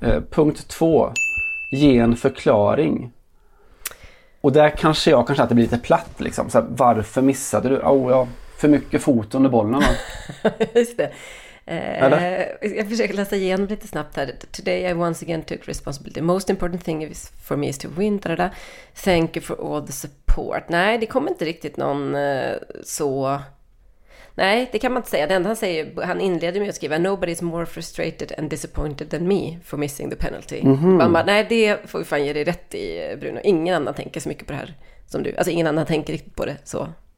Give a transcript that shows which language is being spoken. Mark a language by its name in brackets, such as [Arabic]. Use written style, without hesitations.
[Swedish] Punkt 2. Ge en förklaring. Och där kanske att det blir lite platt. Liksom. Så här, varför missade du? Oh, ja. För mycket fot under bollarna. Just det. Jag försöker läsa igenom lite snabbt här. [English] Today I once again took responsibility. Most important thing for me is to win. Da-da-da. Thank you for all the support. [Swedish] Nej, det kommer inte riktigt någon så... Nej, det kan man inte säga. Det enda han säger, han inleder med att skriva: [English] nobody's more frustrated and disappointed than me for missing the penalty. [Swedish] Mm-hmm. Bara, nej, det får vi fan ge dig rätt i, Bruno. Ingen annan tänker så mycket på det här som du. Alltså ingen annan tänker riktigt på det så...